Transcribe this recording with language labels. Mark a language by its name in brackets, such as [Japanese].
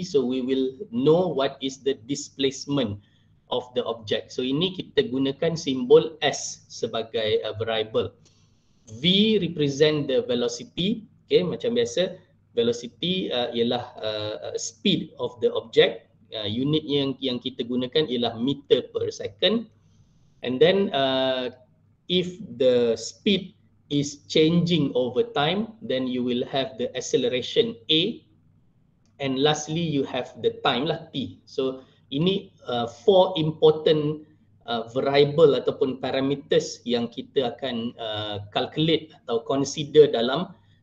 [English] So we will know what is the displacement of the object. [Malay] So ini kita gunakan simbol S sebagai variable. [English] V represent the velocity. Okay, [Malay] macam biasa, [English] velocity ialah speed of the object. [Malay] Unit yang kita gunakan ialah meter per second. [English] And then if the speed is changing over time, then you will have the acceleration A. And lastly, you have the time lah, T. [Malay] So ini 4 important variable ataupun parameters yang kita akan calculate atau consider dalam